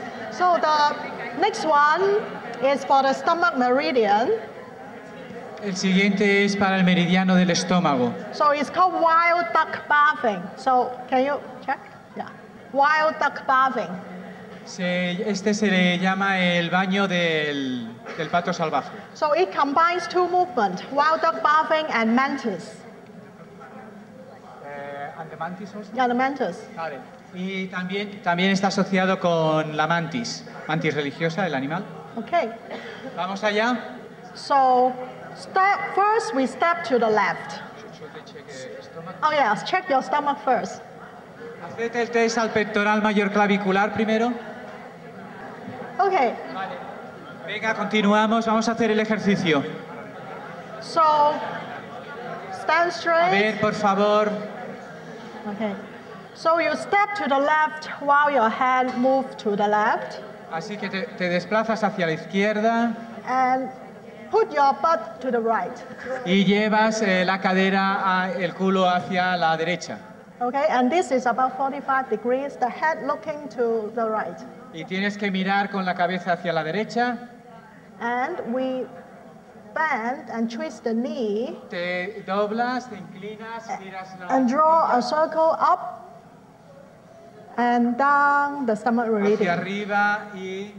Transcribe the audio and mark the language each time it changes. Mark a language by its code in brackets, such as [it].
[en] So the next one is for the stomach meridian. [es] El siguiente es para el meridiano del estómago. [en] So it's called wild duck bathing. So can you check? Yeah. Wild duck bathing. [es] Este se le llama el baño del pato salvaje. [en] So it combines two movements, wild duck bathing and mantis. And the mantis also? Yeah, the mantis. [es] Vale. Y también está asociado con la mantis. Mantis religiosa, el animal. [en] Okay. [es] Vamos allá. [en] So, first we step to the left. Should oh, yes, check your stomach first. [es] Hacete el test al pectoral mayor clavicular primero. [en] Okay. [es] Vale. Venga, continuamos. Vamos a hacer el ejercicio. [en] So, stand straight. [es] A ver, por favor. [en] Okay, so you step to the left while your hand moves to the left. [es] Así que te desplazas hacia la izquierda. [en] And put your butt to the right. [es] Y llevas la cadera, el culo hacia la derecha. [en] Okay, and this is about 45 degrees, the head looking to the right. [es] Y tienes que mirar con la cabeza hacia la derecha. [en] And we bend and twist the knee. [es] Te doblas, te inclinas, miras la. [en] And draw a circle up and down the stomach meridian. [es] Hacia arriba y